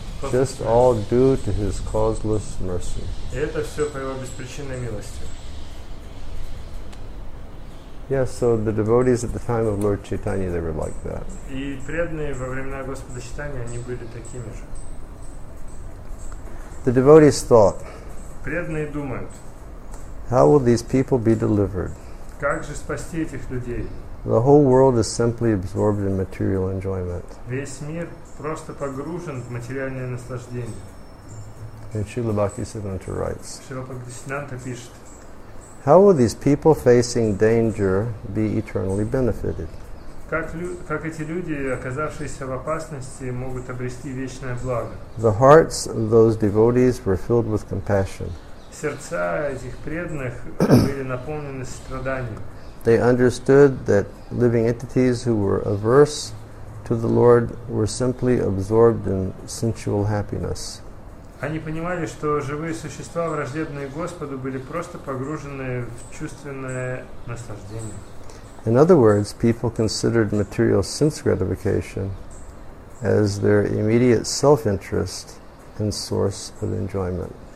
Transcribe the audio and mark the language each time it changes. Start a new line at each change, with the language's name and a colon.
English: Just all due to his causeless mercy.
Russian: Это все по его беспричинной милости.
English: Yes, so the devotees at the time of Lord Chaitanya, they were like that.
Russian: И преданные во времена Господа Чайтаньи, они были такими же.
English: The devotees thought.
Russian: Преданные думают.
English: How will these people be delivered?
Russian: Как же спасти этих людей?
English: The whole world is simply absorbed in material enjoyment.
Russian: Весь мир просто погружен в материальное наслаждение.
English: And Srila Bhaktisiddhanta writes.
Russian: Srila Bhaktisiddhanta пишет.
English: How will these people facing danger be eternally benefited?
Russian: Как эти люди, оказавшиеся в опасности, могут обрести вечное благо?
English: The hearts of those devotees were filled with compassion.
Russian: Сердца этих преданных были наполнены страданием.
English: They understood that living entities who were averse to the Lord were simply absorbed in sensual happiness.
Russian: Они понимали, что живые существа, враждебные Господу, были просто погружены в чувственное наслаждение.
English: In other words, people considered material sense gratification as their immediate self-interest and source of enjoyment.